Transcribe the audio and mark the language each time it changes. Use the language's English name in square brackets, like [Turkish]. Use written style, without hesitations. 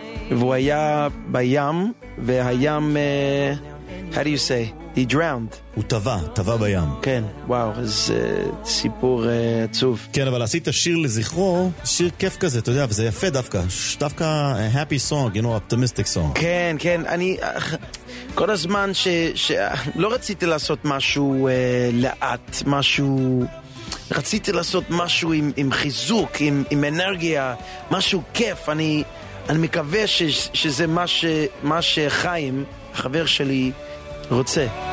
[Hebrew] והוא היה בים, והים, [English] how do you say? He drowned. [Hebrew] הוא טבע בים. כן, וואו, אז סיפור עצוב. כן, אבל עשית שיר לזכרו, שיר כיף כזה, אתה יודע, וזה יפה דווקא. [English] דווקא a happy song, you know, optimistic song. [Hebrew] כן, כן, אני כל הזמן לא רציתי לעשות משהו לאט, משהו... רציתי לעשות משהו עם חיזוק, עם אנרגיה, משהו כיף. אני מקווה שזה מה שחיים, החבר שלי, רוצה.